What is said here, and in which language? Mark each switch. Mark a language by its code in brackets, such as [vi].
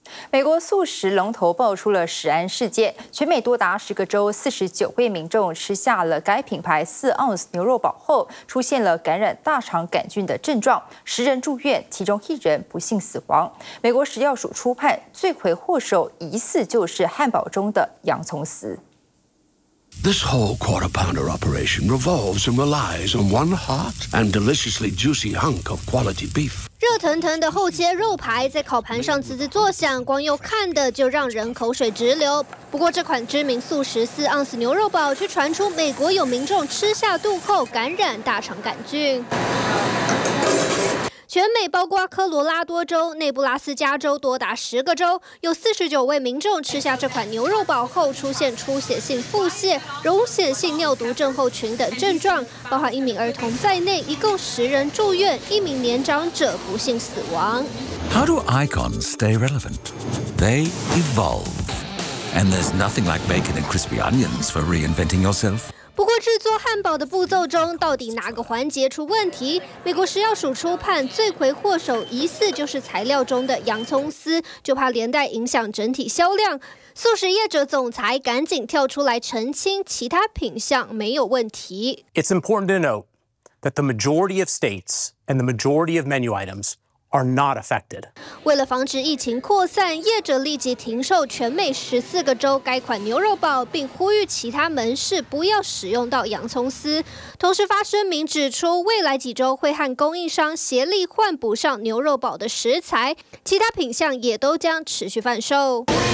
[zh] 美国速食龙头爆出了食安事件，全美多达10个州49位民众吃下了该品牌4盎司牛肉堡后，出现了感染大肠杆菌的症状，10人住院，其中1人不幸死亡。美国食药署初判，罪魁祸首疑似就是汉堡中的洋葱丝。 [en] This whole quarter pounder operation revolves and relies on one hot and deliciously juicy hunk of quality beef. [zh] 热腾腾的厚切肉排在烤盘上滋滋作响，光又看的就让人口水直流。不过这款知名速食4盎司牛肉堡却传出美国有民众吃下肚后感染大肠杆菌。全美包括科罗拉多州、内布拉斯加州多达10个州，有49位民众吃下这款牛肉堡后出现出血性腹泻、溶血性尿毒症候群等症状，包含1名儿童在内，一共10人住院，1名年长者不幸死亡。 [en] How do icons stay relevant? They evolve, and there's nothing like bacon and crispy onions for reinventing yourself. [zh] 不过制作汉堡的步骤中到底哪个环节出问题，美国食药署初判罪魁祸首疑似就是材料中的洋葱丝，就怕连带影响整体销量。速食业者总裁赶紧跳出来澄清，其他品项没有问题。 [en] It's important to note that the majority of states and the majority of menu items are not affected. [zh] 为了防止疫情扩散，业者立即停售全美14个州该款牛肉堡，并呼吁其他门市不要使用到洋葱丝。同时发声明指出，未来几周会和供应商协力换补上牛肉堡的食材，其他品项也都将持续贩售。